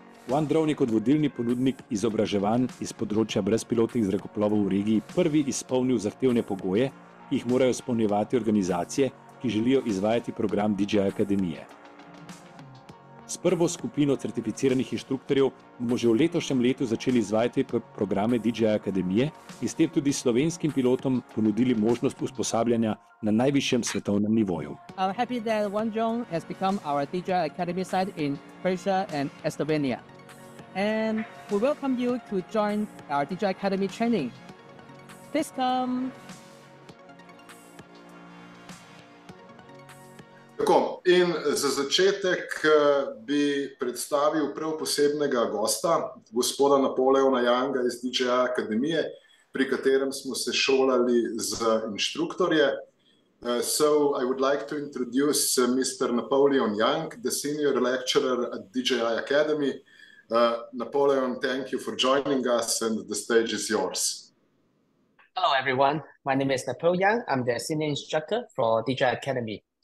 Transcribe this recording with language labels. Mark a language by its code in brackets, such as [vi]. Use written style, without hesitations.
[sl] OneDrone je kot vodilni ponudnik izobraževanj iz področja brezpilotnih zrakoplovov v regiji prvi izpolnil zahtevne pogoje, ki jih morajo izpolnjevati organizacije, ki želijo izvajati program DJI Akademije. S prvo skupino certificiranih inštruktorjev bomo že v letošnjem letu začeli izvajati programe DJI Akademije in s tem tudi slovenskim pilotom ponudili možnost usposabljanja na najvišjem svetovnem nivoju. [en] I'm happy that OneDrone has become our DJI Academy site in Croatia and Slovenia. And we welcome you to join our DJI Academy training. Please come. [sl] Tako, in za začetek bi predstavil prav posebnega gosta, gospoda Napoleona Yanga iz DJI Akademije, pri katerem smo se šolali z inštruktorje. [en] So I would like to introduce Mr. Napoleon Yang, the senior lecturer at DJI Academy. Napoleon, thank you for joining us and the stage is yours. Hello everyone, my name is Napoleon Yang. I'm the senior instructor for DJI Academy.